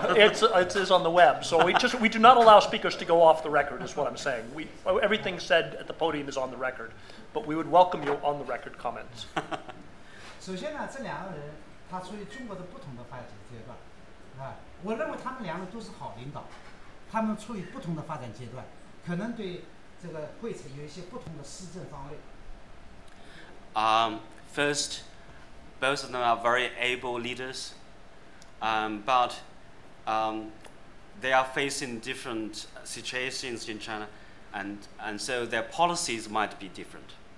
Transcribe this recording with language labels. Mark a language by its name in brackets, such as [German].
[English] It is on the web, so we do not allow speakers to go off the record. Is what I'm saying. Everything said at the podium is on the record, but we would welcome your on the record comments. [Chinese] 首先呢，这两个人他处于中国的不同的发展阶段，我认为他们两个都是好领导，他们处于不同的发展阶段，可能对这个会程有一些不同的施政方略。 [English] First. Both of them are very able leaders, but they are facing different situations in China, and so their policies might be different.